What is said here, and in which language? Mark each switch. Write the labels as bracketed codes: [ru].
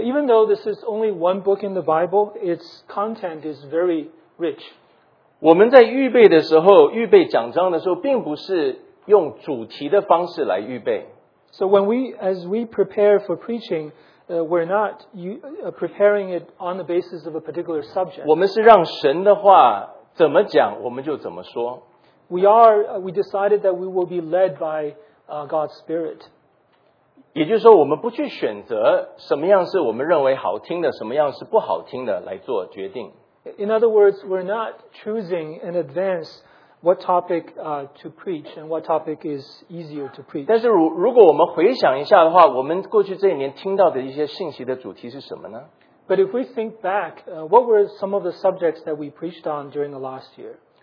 [en] even though this is only one book in the Bible, its content is very rich. [zh] 我们在预备的时候，预备讲章的时候，并不是用主题的方式来预备。 [en] So when we, as we prepare for preaching, we're not preparing it on the basis of a particular subject. [zh] 我们是让神的话怎么讲，我们就怎么说。 [en] We decided that we will be led by God's Spirit. [zh] 也就是说，我们不去选择什么样是我们认为好听的，什么样是不好听的来做决定。 [en] In other words, we're not choosing in advance what topic to preach and what topic is easier to preach. [zh] 但是如果我们回想一下的话，我们过去这一年听到的一些信息的主题是什么呢？ [en] But if we think back, what were some of the subjects that we preached on during the last year?